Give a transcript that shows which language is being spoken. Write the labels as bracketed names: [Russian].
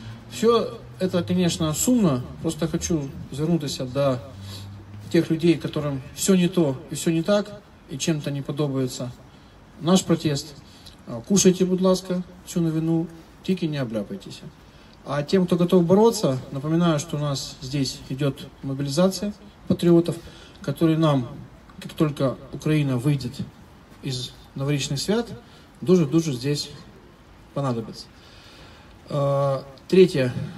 [Russian] Все это, конечно, сумно, просто хочу вернуться до тех людей, которым все не то и все не так, и чем-то не подобается наш протест. [Ukrainian] Кушайте, будь ласка, цю новину, тільки не обляпайтеся. [Russian] А тем, кто готов бороться, напоминаю, что у нас здесь идет мобилизация патриотов, которые нам, как только Украина выйдет из новоречных свят, [Ukrainian] дуже-дуже [Russian] здесь понадобится. Третье.